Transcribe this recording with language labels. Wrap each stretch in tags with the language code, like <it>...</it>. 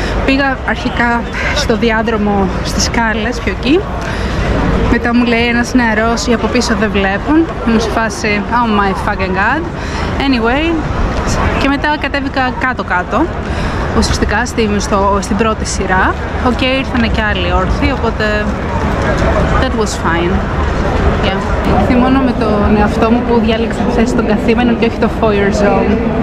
<el>Πήγα αρχικά στο διάδρομο στις σκάλες πιο εκεί. Μετά μου λέει ένας νεαρός ή από πίσω δεν βλέπουν. Μου σε φάση,</el> <en>oh my fucking god.</en> <el>Anyway, και μετά κατέβηκα κάτω-κάτω. Ουσιαστικά στην πρώτη σειρά. Okay, ήρθανε και άλλοι όρθιοι, οπότε</el> <en>that was fine. Yeah.</en> <el>Θυμώνω με τον εαυτό μου που διάλεξα τη θέση των καθήμενων και όχι το foyer zone.</el>